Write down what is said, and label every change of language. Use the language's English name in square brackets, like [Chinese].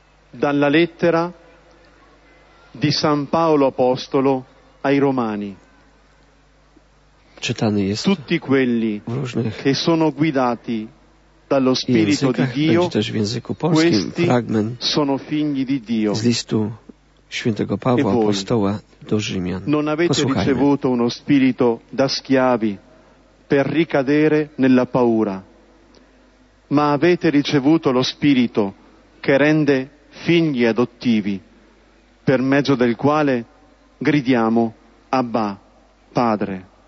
[Italian] Dalla lettera di San Paolo Apostolo ai Romani. [Polish] Czytany jest. [Italian] Tutti quelli [Polish] w różnych [Italian] che sono guidati dallo Spirito di Dio, [Polish] też w języku polskim fragment [Italian] sono figli di Dio. [Polish] Z listu świętego Pawła Apostoła do Rzymian. [Italian] Non avete ricevuto uno spirito da schiavi per ricadere nella paura, ma avete ricevuto lo spirito che rende figli adottivi, per mezzo del quale gridiamo Abba, Padre.